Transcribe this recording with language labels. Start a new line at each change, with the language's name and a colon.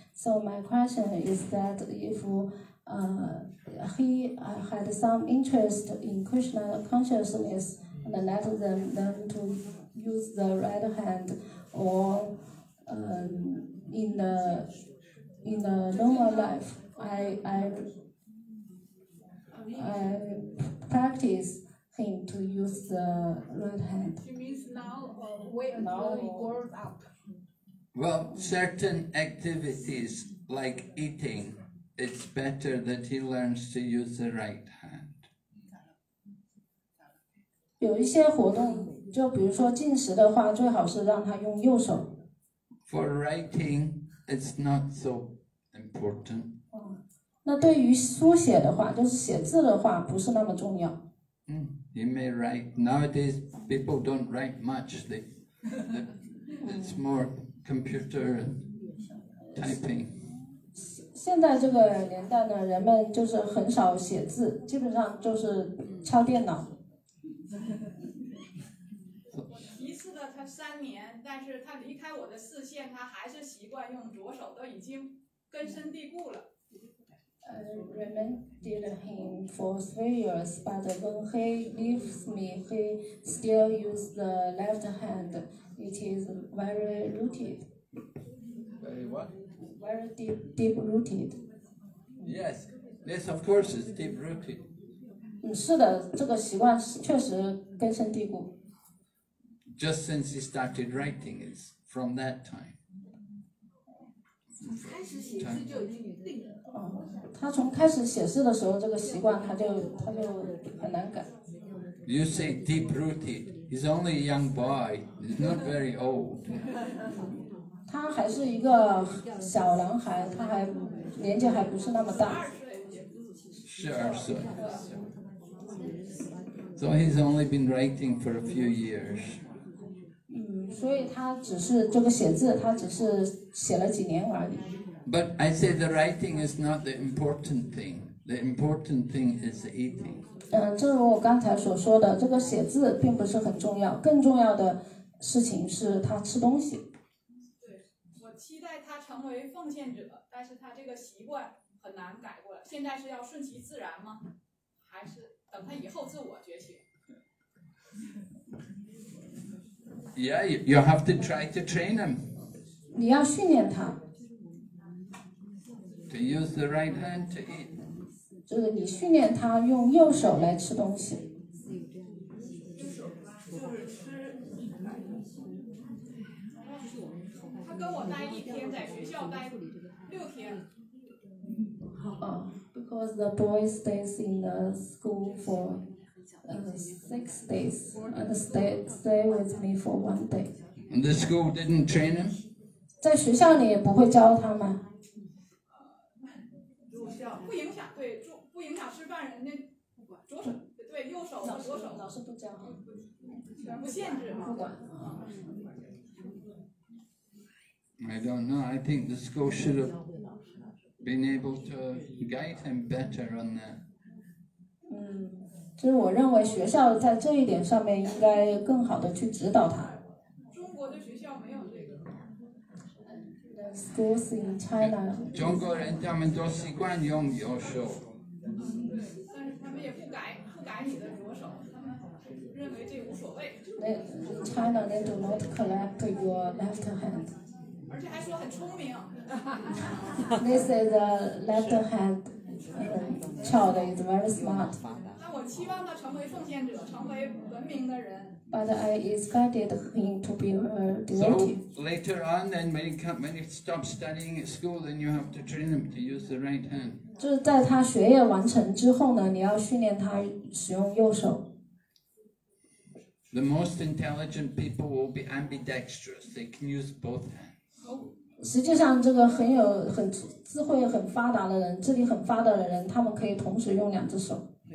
English: So my question is that if he had some interest in Krishna consciousness, and let them learn to use the right hand, or in the normal life, I practice. Him to use the right hand. She means now he grows up. Well, certain activities like eating, it's better that he learns to use the right hand.
Chinese: 有一些活动，就比如说进食的话，最好是让他用右手。
English: For writing, it's not so important.
Chinese: 那对于书写的话，就是写字的话，不是那么重要。
English: You may write. Nowadays, people don't write much. It's more computer and typing.
Chinese: 现在这个年代呢，人们就是很少写字，基本上就是敲电脑。我提示了他三年，但是他离开我的视线，他还是习惯用左手，都已经根深蒂固了。
English: Raymond did him for 3 years, but when he leaves me, he still uses the left hand. It is very rooted. Very what? Very deep rooted. Yes, of course it's deep rooted.
Chinese: 是的，这个习惯确实根深蒂固。
English: Just since he started writing, it's from that time.
Chinese: 他从开始写字的时候，这个习惯他就很难改。
English: You say deep rooted. He's only a young boy. He's not very old.
Chinese: 他还是一个小男孩，他还年纪还不是那么大。 12岁。
English: So he's only been writing for a few years.
Chinese: 所以他只是这个写字，他只是写了几年而已。
English: But I say the writing is not the important thing. The important thing is the eating.
Chinese: 正如我刚才所说的，这个写字并不是很重要，更重要的事情是他吃东西。对，我期待他成为奉献者，但是他这个习惯很难改过来。现在是要顺其自然吗？还是等他以后自我觉醒？
English: Yeah, you have to try to train him.
Chinese: 你要训练他。
English: To use the right hand to eat.
Chinese: 就是你训练他用右手来吃东西。右手就是吃。他跟我待一天，在学校待六天。
English: Because the boy stays in the school for. 6 days and stay with me for 1 day. And the school didn't train him?
Chinese: 在学校里也不会教他吗？不影响，对，不影响吃饭，人家左手，对，右手和左手。老师不教，全部限制吗？不管。
English: I don't know. I think the school should have been able to guide him better on that.
Chinese: 就是我认为学校在这一点上面应该更好的去指导他。中国的学校没有这个。
English: The schools in China.
Chinese: 中国人他们都习惯用右手。对，但是他们也不改你的左手，他们认为这无所谓。
English: China, they do not collect your left hand.
Chinese: 而且还说很聪明。
English: This is a left hand child. Is very smart.
Chinese: 我期望他成为奉献者，成为文明的人。
English: But I expected him to be a devotee. So later on, then when he stops studying at school, then you have to train him to use the right hand.
Chinese: 就是在他学业完成之后呢，你要训练他使用右手。
English: The most intelligent people will be ambidextrous. They can use both hands.
Chinese: 实际上，这个很智慧很发达的人，智力很发达的人，他们可以同时用两只手。